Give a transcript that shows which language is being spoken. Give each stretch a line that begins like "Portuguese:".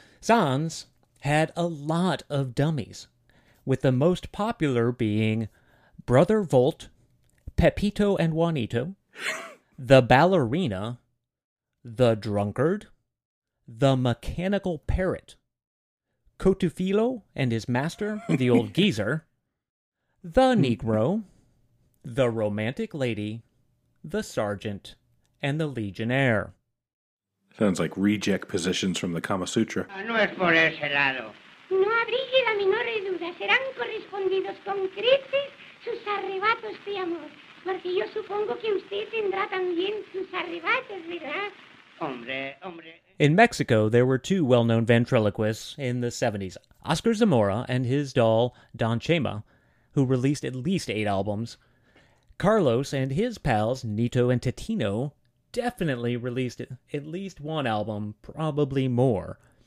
English: Sanz had a lot of dummies, with the most popular being Brother Volt, Pepito and Juanito, the Ballerina, the Drunkard, the Mechanical Parrot, Cotufilo and his master, the Old Geezer, the Negro, the Romantic Lady, the Sergeant, and the Legionnaire. Sounds like reject positions from the Kama Sutra.
Spanish: No es por ese lado. No abrigue la menor duda. Serán correspondidos con creces sus arrebatos de amor. Porque yo supongo que usted tendrá también sus arrebatos, ¿verdad? Hombre.
English: In Mexico, there were two well-known ventriloquists in the 70s. Oscar Zamora and his doll, Don Chema, who released at least 8 albums. Carlos and his pals, Nito and Tatino, definitely released at least 1 album, probably more.